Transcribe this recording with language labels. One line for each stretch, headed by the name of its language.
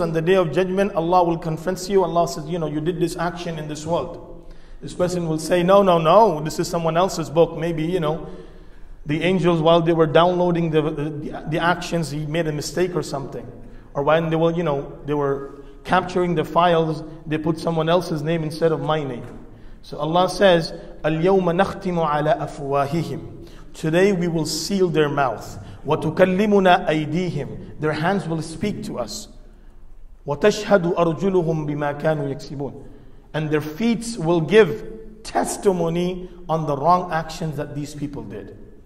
English: On the Day of Judgment, Allah will confront you. Allah says, you know, you did this action in this world. This person will say, no, this is someone else's book. Maybe, you know, the angels, while they were downloading the actions, he made a mistake or something. Or when they were, you know, they were capturing the files, they put someone else's name instead of my name. So Allah says,
Arabic: الْيَوْمَ نَخْتِمُ عَلَىٰ أَفْوَاهِهِمْ.
English: Today we will seal their mouth.
Arabic: وَتُكَلِّمُنَا أَيْدِيهِمْ.
English: Their hands will speak to us.
Arabic: وَتَشْهَدُ أَرْجُلُهُمْ بِمَا كَانُوا يَكْسِبُونَ.
English: And their feet will give testimony on the wrong actions that these people did.